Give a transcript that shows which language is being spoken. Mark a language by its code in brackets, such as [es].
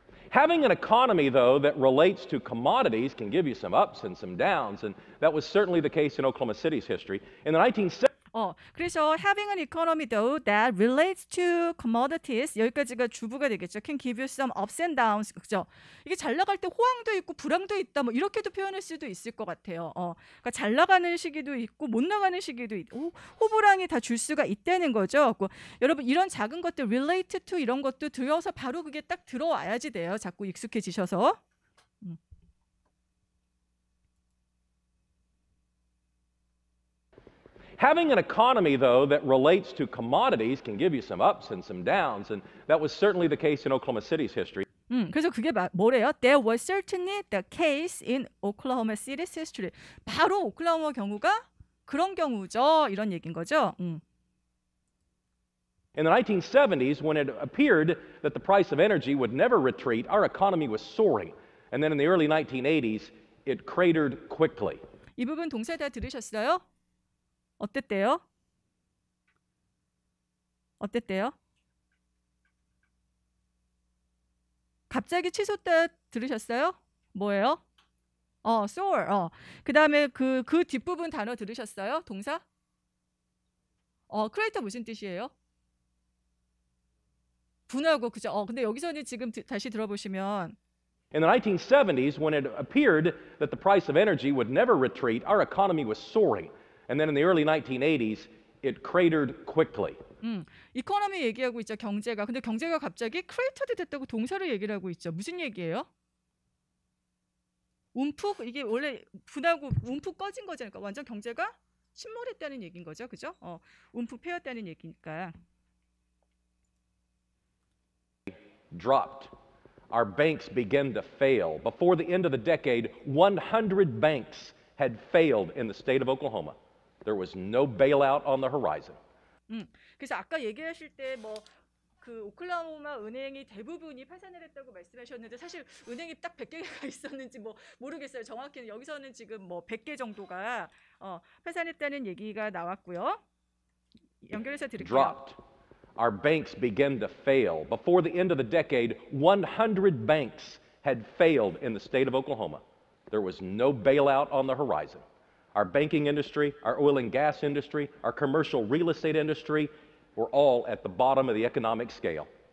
[en] Having an economy, though, that relates to commodities can give you some ups and some downs, and that was certainly the case in Oklahoma City's history. In the 1970s... [ko] 그래서 [en] having an economy, though, that relates to commodities, [ko] 여기까지가 주부가 되겠죠. [en] Can give you some ups and downs, [ko] 그렇죠? 이게 잘 나갈 때 호황도 있고 불황도 있다, 뭐 이렇게도 표현할 수도 있을 것 같아요. 그러니까 잘 나가는 시기도 있고 못 나가는 시기도 있고 호불황이 다 줄 수가 있다는 거죠. 그리고 여러분 이런 작은 것들 [en] related to [ko] 이런 것도 들어서 바로 그게 딱 들어와야지 돼요. 자꾸 익숙해지셔서. [en] Having an economy, though, that relates to commodities can give you some ups and some downs, and that was certainly the case in Oklahoma City's history. [ko] 그래서 그게 뭐래요? [en] There was certainly the case in Oklahoma City's history. [ko] 바로 오클라호마 경우가 그런 경우죠. 이런 얘기인 거죠. [en] In the 1970s, when it appeared that the price of energy would never retreat, our economy was soaring. And then in the early 1980s, it cratered quickly. [ko] 이 부분 동사 다 들으셨어요? 어땠대요? 갑자기 치솟다 들으셨어요? 뭐예요? soar. 그다음에 그 뒷부분 단어 들으셨어요? 동사? crater 무슨 뜻이에요? 분하고 그죠? 근데 여기서는 지금 다시 들어보시면 [en] In the 1970s when it appeared that the price of energy would never retreat, our economy was soaring. And then in the early 1980s, it cratered quickly. [ko] 이코노미 얘기하고 있죠, 경제가. 근데 경제가 갑자기 크레이터드 됐다고 동사를 얘기를 하고 있죠. 무슨 얘기예요? 움푹? 이게 원래 분하고 움푹 꺼진 거잖아요. 완전 경제가 침몰했다는 얘기인 거죠, 그죠? 움푹 패였다는 얘기니까. [en] Dropped. Our banks began to fail. Before the end of the decade, 100 banks had failed in the state of Oklahoma. There was no bailout on the horizon. [ko] 그래서 아까 얘기하실 때 뭐 그 오클라호마 은행이 대부분이 파산을 했다고 말씀하셨는데 사실 은행이 딱 100개가 있었는지 뭐 모르겠어요. 정확히는 여기서는 지금 뭐 100개 정도가 파산했다는 얘기가 나왔고요. 연결해서 드릴게요. [en] Dropped. Our banks began to fail. Before the end of the decade, 100 banks had failed in the state of Oklahoma. There was no bailout on the horizon. Our banking industry, our oil and gas industry, our commercial real estate industry were all at the bottom of the economic scale.